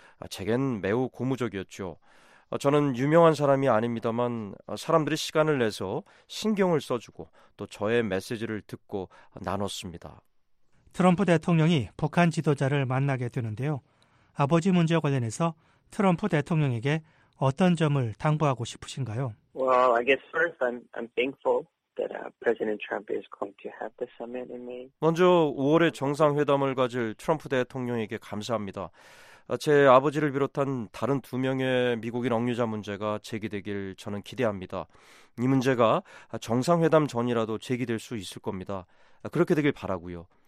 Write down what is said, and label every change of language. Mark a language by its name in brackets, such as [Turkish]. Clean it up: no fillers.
[Korean] 제겐 매우 고무적이었죠. 저는 유명한 사람이 아닙니다만 사람들이 시간을 내서 신경을 써주고 또 저의 메시지를 듣고 나눴습니다. 트럼프 대통령이 북한 지도자를 만나게 되는데요. 아버지 문제와 관련해서 트럼프 대통령에게 어떤 점을 당부하고 싶으신가요? [English] Well, I guess first I'm thankful that President Trump is going to have the summit in May. [Korean] 먼저 5월에 정상회담을 가질 트럼프 대통령에게 감사합니다. 제 아버지를 비롯한 다른 두 명의 미국인 억류자 문제가 제기되길 저는 기대합니다. 이 문제가 정상회담 전이라도 제기될 수 있을 겁니다. 그렇게 되길 바라고요.